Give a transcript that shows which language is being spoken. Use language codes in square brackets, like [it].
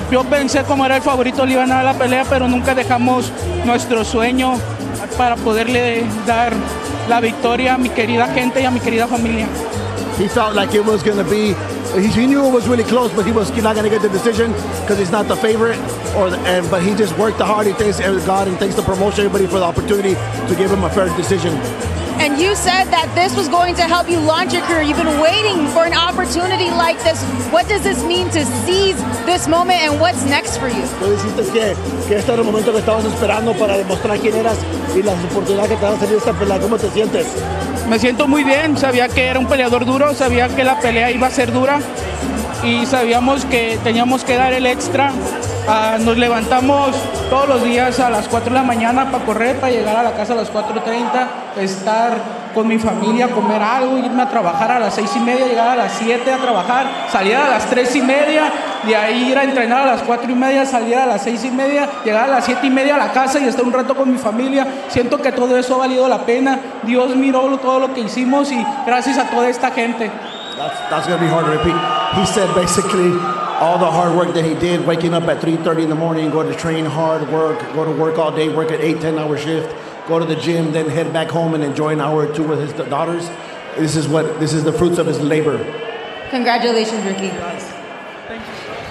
[es] Pensé como era el favorito, le iban a dar la pelea, pero nunca dejamos nuestro sueño para poderle dar la victoria a mi querida gente y a mi querida familia. [en] He felt like it was going to be, he knew it was really close, but he was not going to get the decision because he's not the favorite. But he just worked the hard. He thanks God and thanks the promotion, everybody, for the opportunity to give him a fair decision. And you said that this was going to help you launch your career. You've been waiting for an opportunity like this. What does this mean to seize this moment, and what's next for you? [es] Tú dijiste que este era el momento que estabas esperando para demostrar quién eras y las oportunidades que te van a salir esta pelea. ¿Cómo te sientes? Me siento muy bien. Sabía que era un peleador duro. Sabía que la pelea iba a ser dura. Y sabíamos que teníamos que dar el extra. Nos levantamos todos los días a las 4 de la mañana para correr, para llegar a la casa a las 4:30, estar con mi familia, comer algo, irme a trabajar a las 6:30, llegar a las 7 a trabajar, salir a las 3:30, de ahí ir a entrenar a las 4:30, salir a las 6:30, llegar a las 7:30 a la casa y estar un rato con mi familia. Siento que todo eso ha valido la pena. Dios miró todo lo que hicimos y gracias a toda esta gente. [en] That's going to be hard to repeat. He said basically all the hard work that he did, waking up at 3:30 in the morning, going to train hard, work, go to work all day, work an 8-10-hour shift, go to the gym, then head back home and enjoy an hour or two with his daughters. This is the fruits of his labor. Congratulations, Ricky. Thank you.